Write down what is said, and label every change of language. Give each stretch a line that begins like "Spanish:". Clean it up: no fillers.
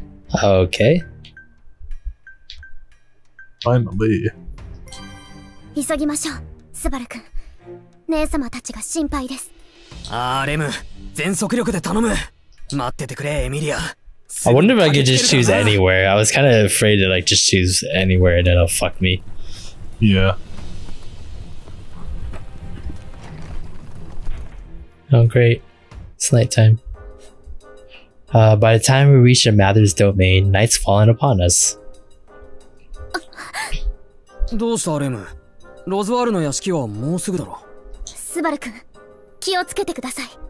English: Okay. Finally.
Japanese: 急ぎましょう、スバル君。姉様たちが心配です。ああ、レム、全速力で頼む。待っててくれ、エミリア。
English: I wonder if I could just choose anywhere. I was kind of afraid to like just choose anywhere and it'll fuck me. Yeah. Oh great, it's night time. By the time we reach the Mathers domain, night's fallen upon us.
Japanese: どうしたレム？ロズワールの屋敷はもうすぐだろ。スバル君、気をつけてください。